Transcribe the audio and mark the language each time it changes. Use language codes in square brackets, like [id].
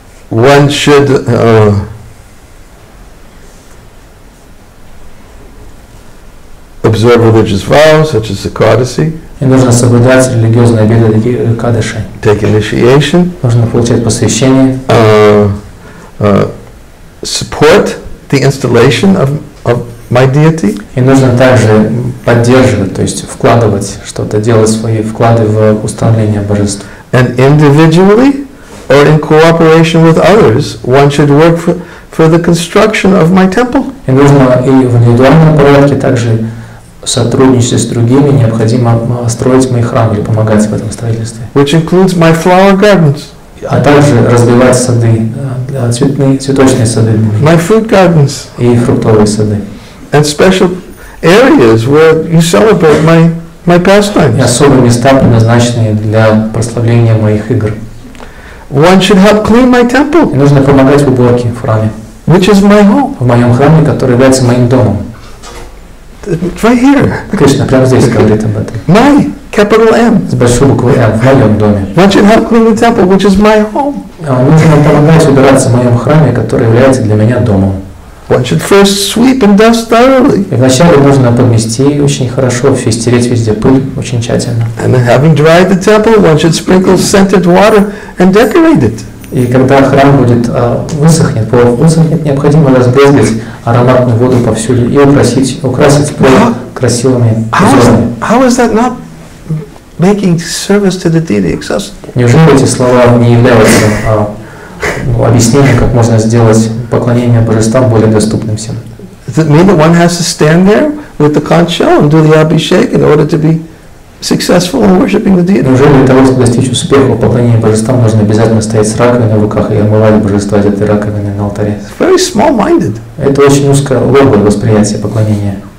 [en] One should observe religious vows, such as Ekadasi. [ru] И нужно соблюдать религиозные обеды, такие кадыши. [en] Take initiation. [ru] Нужно получать посвящение. [en] Support the installation of my deity. [ru] И нужно также поддерживать, то есть вкладывать что-то, делать свои вклады в установление божества. [en] And individually. Or in cooperation with others, one should work for the construction of my temple. [ru] И нужно и в индивидуальном порядке также сотрудничать с другими. Необходимо строить мой храм или помогать в этом строительстве. [en] Which includes my flower gardens. [ru] А также развивать сады, цветочные сады. [en] My fruit gardens. [ru] И фруктовые сады. [en] And special areas where you celebrate my pastimes. [ru] И особые места, предназначенные для прославления моих игр. [en] One should help clean my temple. [ru] И нужно помогать в уборке в храме. [en] Which is my home. [ru] В моем храме, который является моим домом. [en] Right here. [ru] Кришна прямо здесь говорит об этом. [en] My capital M. [ru] С большой буквы M в моем доме. [en] One should help clean the temple, which is my home. [ru] Нужно помогать убираться в моем храме, который является для меня домом. [en] One should first sweep and dust thoroughly. [ru] И вначале нужно подмести очень хорошо, стереть везде пыль очень тщательно. [en] And then, having dried the temple, one should sprinkle scented water and decorate it. [ru] И когда храм будет высохнет, необходимо разбрызгать ароматную воду повсюду и украсить пыль красивыми узорами. [en] How is that not making service to the deity accessible? [ru] Неужели эти слова не являются объяснение, как можно сделать поклонение божествам более доступным всем? [en] Does it mean that one has to stand there with the conch shell and do the abhishek in order to be successful in worshiping the deity? [ru] Неужели для того, чтобы достичь успеха в поклонении божествам, нужно обязательно стоять с раковиной в руках и омывать божества из этой раковины на алтаре? [en] It's very small-minded. [ru] Это очень узкое восприятие поклонения.